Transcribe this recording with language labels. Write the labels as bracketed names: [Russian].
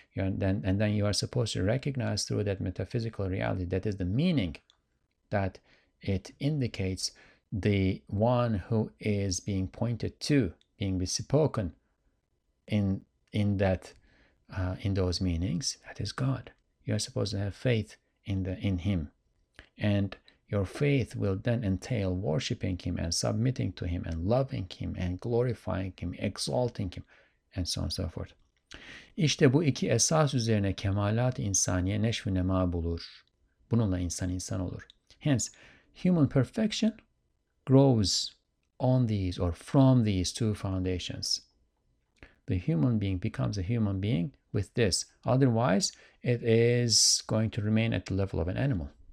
[English] And then you are supposed to recognize through that metaphysical reality, that is the meaning that it indicates, the one who is being pointed to, being bespoken in those meanings, that is God. You are supposed to have faith in him. And your faith will then entail worshiping him and submitting to him and loving him and glorifying him, exalting him, and so on and so forth. [Turkish] İşte bu iki esas üzerine kemalat insaniye neşv-i nema bulur. Bununla insan insan olur. [English] Hence, human perfection grows on these or from these two foundations. The human being becomes a human being with this. Otherwise, it is going to remain at the level of an animal.